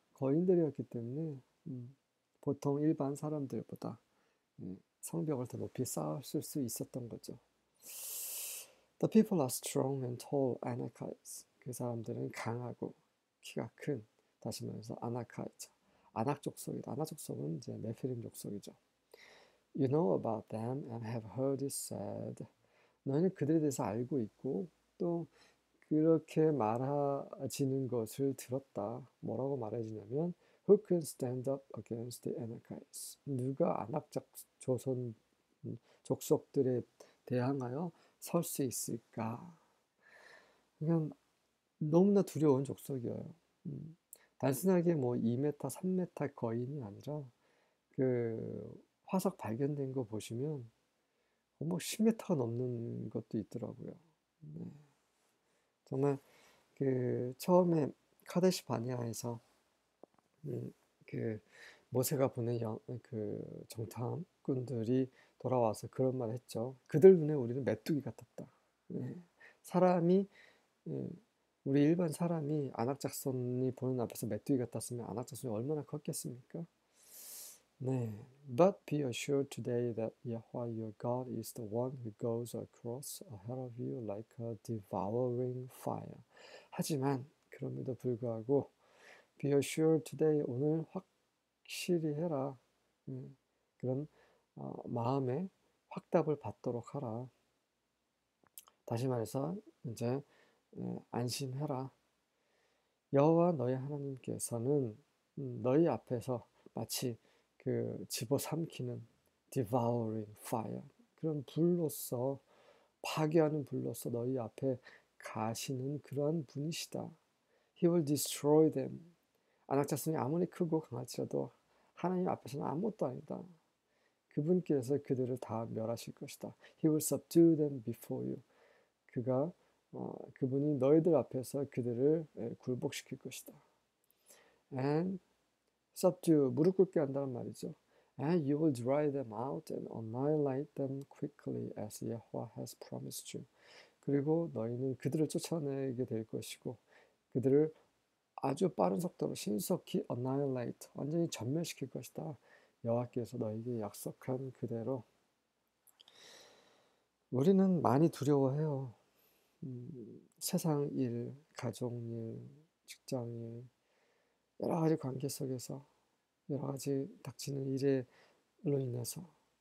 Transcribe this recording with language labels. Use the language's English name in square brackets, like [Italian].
[Korean] 거인들이었기 때문에 보통 일반 사람들보다 성벽을 더 높이 쌓았을 수 있었던 거죠. [English] The people are strong and tall Anakites. [Korean] 그 사람들은 강하고 키가 큰. 다시 말해서 아나카이트. 아낙족속이다. 아나족속은 이제 네피림 족속이죠. [English] You know about them and have heard it said. [Korean] 너희는 그들에 대해서 알고 있고 또 그렇게 말하지는 것을 들었다. 뭐라고 말해지냐면 [English] Who can stand up against the Anakites? [Korean] 누가 아낙족 조선 족속들에 대항하여 설수 있을까? 그냥 너무나 두려운 족속이에요. 단순하게 뭐 2m, 3m 거인이 아니라 그 화석 발견된 거 보시면 뭐 10m가 넘는 것도 있더라고요. 네. 정말 그 처음에 카데시 바니아에서 그 모세가 보낸 그 정탐꾼들이 돌아와서 그런 말을 했죠. 그들 눈에 우리는 메뚜기 같았다. 네. 사람이 우리 일반 사람이 아낙작손이 보는 앞에서 메뚜기 같았으면 아낙작손이 얼마나 컸겠습니까? [English] 네, but be assured today that Yahweh your God is the one who goes across ahead of you like a devouring fire. [Korean] 하지만 그럼에도 불구하고 [English] be assured today [Korean] 오늘 확실히 해라. 그런 마음에 확답을 받도록 하라. 다시 말해서 이제 안심해라. 여호와 너희 하나님께서는 너희 앞에서 마치 그 집어삼키는 [English] devouring fire [Korean] 그런 불로서 파괴하는 불로서 너희 앞에 가시는 그러한 분이시다. [English] He will destroy them. [Korean] 아낙자손이 아무리 크고 강할지라도 하나님 앞에서는 아무것도 아니다. 그분께서 그들을 다 멸하실 것이다. [English] He will subdue them before you. [Korean] 그가 그분이 너희들 앞에서 그들을 굴복시킬 것이다. [English] And subdue [Korean] 무릎 꿇게 한다는 말이죠. [English] And you will dry them out and annihilate them quickly as Yahweh has promised you. [Korean] 그리고 너희는 그들을 쫓아내게 될 것이고 그들을 아주 빠른 속도로 신속히 annihilate 완전히 전멸시킬 것이다. 여호와께서 너희에게 약속한 그대로. 우리는 많이 두려워해요. 세상 일, 가정일, 직장일, 여러 가지 관계 속에서 여러 가지 닥치는 일에 로 인해서.